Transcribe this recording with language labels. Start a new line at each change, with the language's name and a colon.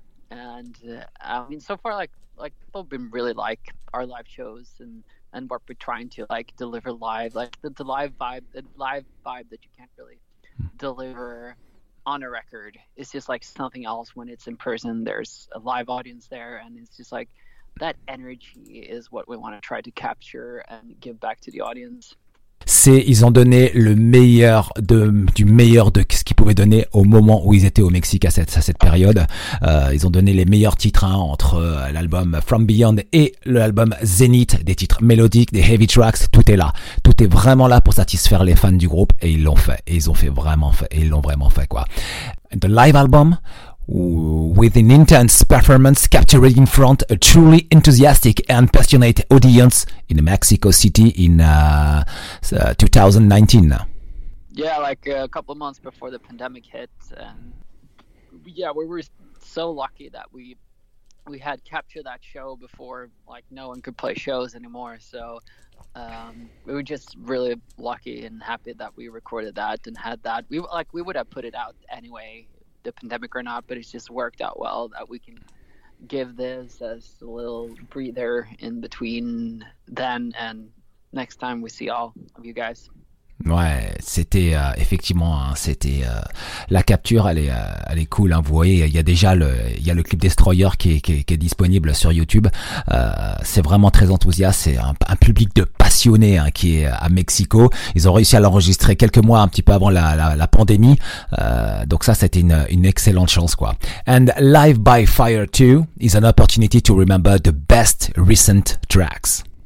English: And I mean, so far, like people have been really like our live shows and what we're trying to like deliver live, like the live vibe that you can't really deliver on a record. It's just like something else when it's in person. There's a live audience there, and it's just like that energy is what we want to try to capture and give back to the audience.
French: C'est, ils ont donné le meilleur du meilleur de ce qu'ils pouvaient donner au moment où ils étaient au Mexique à cette période. Ils ont donné les meilleurs titres hein, entre l'album From Beyond et l'album Zenith, des titres mélodiques, des
English: heavy tracks,
French: tout est là. Tout est vraiment là pour satisfaire les fans du groupe et ils l'ont fait. Ils l'ont vraiment fait quoi.
English: The live album with an intense performance captured in front a truly enthusiastic and passionate audience in Mexico City in 2019. Yeah, like a couple of months before the pandemic hit. And yeah, we were so lucky that we had captured that show before like no one could play shows anymore. So we were just really lucky and happy that we recorded that and had that. We would have put it out anyway, the pandemic or not, but it's just worked out well that we can give this as a little breather in between then and next time we see all of you guys.
French: Ouais, c'était effectivement, hein, c'était la capture, elle est cool. Hein, vous voyez, il y a le clip Destroyer qui est disponible sur YouTube. C'est vraiment très enthousiaste. C'est un public de passionnés hein, qui est à Mexico. Ils ont réussi à l'enregistrer quelques mois, un petit peu avant la pandémie. Donc ça, c'était une excellente chance, quoi.
English: And Live by Fire 2 is an opportunity to remember the best recent tracks.